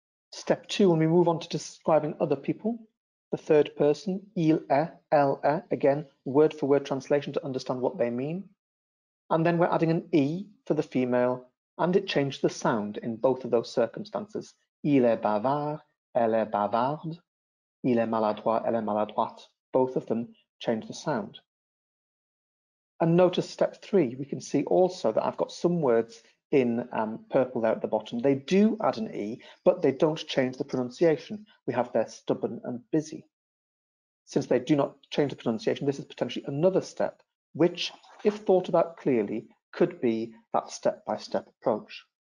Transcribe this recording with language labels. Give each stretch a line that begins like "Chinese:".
English: Step two, when we move on to describing other people, the third person,
French: il est, elle est,
English: again, word for word translation to understand what they mean. And then we're adding an E for the female, and it changed the sound in both of those circumstances.
French: Il est bavard, elle est bavarde, il est maladroit, elle est maladroite.
English: Both of them change the sound. And notice step three, we can see also that I've got some words in purple there at the bottom. They do add an E, but they don't change the pronunciation. We have there stubborn and busy. Since they do not change the pronunciation, this is potentially another step, which, if thought about clearly, could be that step-by-step approach.